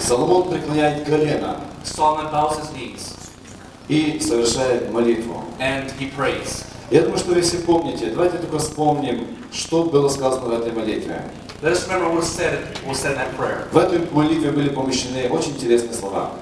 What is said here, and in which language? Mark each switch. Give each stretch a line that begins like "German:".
Russian: Соломон преклоняет колено.
English: Solomon bows his knees.
Russian: И совершает молитву.
English: And he prays.
Russian: Я думаю, что если помните, давайте только вспомним, что было сказано в этой молитве.
English: Let us remember what was said in that prayer.
Russian: В этой молитве были помещены очень интересные слова.